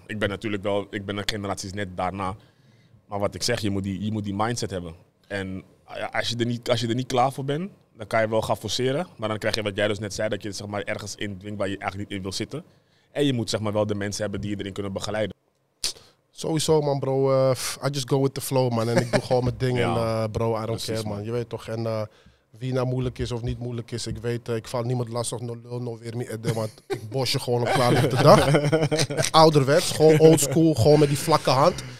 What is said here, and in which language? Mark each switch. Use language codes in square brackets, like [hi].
[nl] Ik ben natuurlijk wel, ik ben een generatie net daarna. Maar wat ik zeg, je moet die mindset hebben. En ja, als je er niet klaar voor bent, dan kan je wel gaan forceren. Maar dan krijg je wat jij dus net zei, dat je zeg maar ergens in dwingt waar je eigenlijk niet in wil zitten. En je moet zeg maar wel de mensen hebben die je erin kunnen begeleiden. [en] Sowieso man bro, I just go with the flow man. [nl] En ik doe gewoon mijn ding ja. En bro, [en] I don't care man. [nl] Je weet toch, en wie nou moeilijk is of niet moeilijk is, ik weet, ik val niemand lastig. No weer meer edden, want ik bos je gewoon op klaar met de dag. Ouderwets, gewoon oldschool, gewoon met die vlakke hand.